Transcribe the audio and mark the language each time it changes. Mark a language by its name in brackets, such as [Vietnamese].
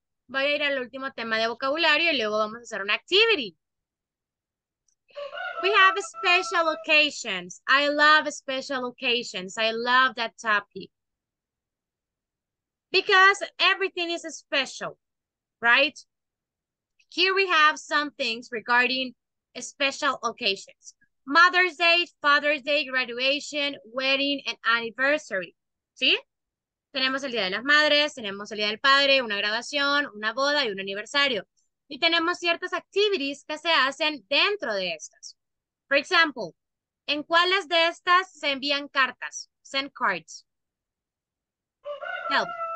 [Spanish] Voy a ir al último tema de vocabulario y luego vamos a hacer una activity. [English] We have special occasions. I love special occasions. I love that topic. Because everything is special, right? Here we have some things regarding special occasions. Mother's Day, Father's Day, graduation, wedding, and anniversary. [Spanish] ¿Sí? Tenemos el Día de las Madres, tenemos el Día del Padre, una graduación, una boda y un aniversario. Y tenemos ciertas activities que se hacen dentro de estas. [English] For example, [Spanish] ¿en cuáles de estas se envían cartas? [English] Send cards. Help.